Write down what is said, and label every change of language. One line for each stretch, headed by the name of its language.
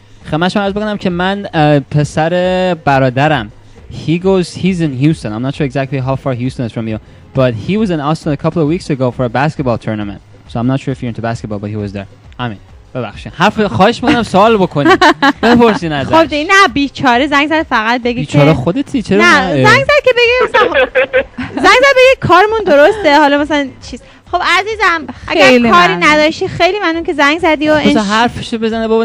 Persian: خدمت شما عرض بکنم که من پسر برادرم
English: he's in Houston. I'm not sure exactly how far Houston is from you, but he was in Austin a couple of weeks ago for a basketball tournament. So I'm not sure if you're into basketball, but he was there. I mean, ببخشید.
Persian: حرف خواهش می‌کنم سوال بکنید. بپرسین ازش. خب نه بیچاره زنگ زد فقط بگی که بیچاره خودتی چرا نه زنگ زد که بگی زنگ زد بگی کارمون درسته. حالا مثلا چیز خب عزیزم اگر کاری نداشتی خیلی ممنون که زنگ زدی و این حرفشو بزنه بابا.